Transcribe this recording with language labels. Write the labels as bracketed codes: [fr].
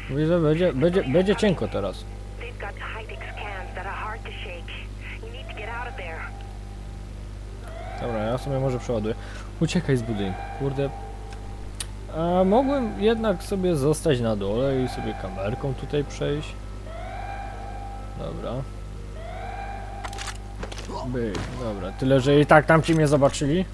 [pl] Widzę, będzie cienko teraz. [en] They've got high-tech scans that are hard to shake. You need to get out of there. [pl] Dobra, ja sobie może przeładuję. Uciekaj z budynku. Kurde. A mogłem jednak sobie zostać na dole i sobie kamerką tutaj przejść. Dobra. Byk, dobra. Tyle, że i tak tamci mnie zobaczyli.